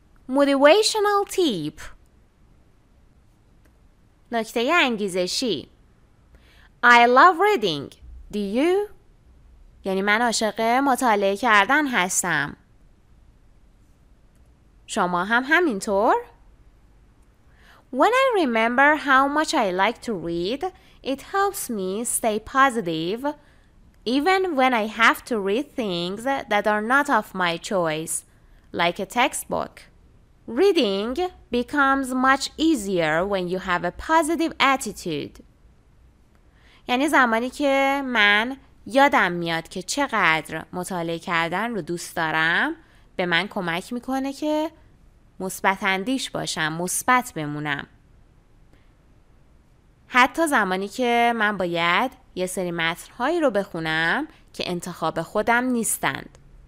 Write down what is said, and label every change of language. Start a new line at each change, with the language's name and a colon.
English: Motivational tip.
Persian: نکته انگیزشی.
English: I love reading. Do you?
Persian: یعنی من عاشق مطالعه کردن هستم. شما هم همینطور؟
English: When I remember how much I like to read, it helps me stay positive even when I have to read things that are not of my choice, like a textbook. Reading becomes much easier when you have a positive attitude.
Persian: یعنی زمانی که من یادم میاد که چقدر مطالعه کردن رو دوست دارم، به من کمک میکنه که مثبت اندیش باشم، مثبت بمونم. حتی زمانی که من باید یه سری متن‌هایی رو بخونم که انتخاب خودم نیستند.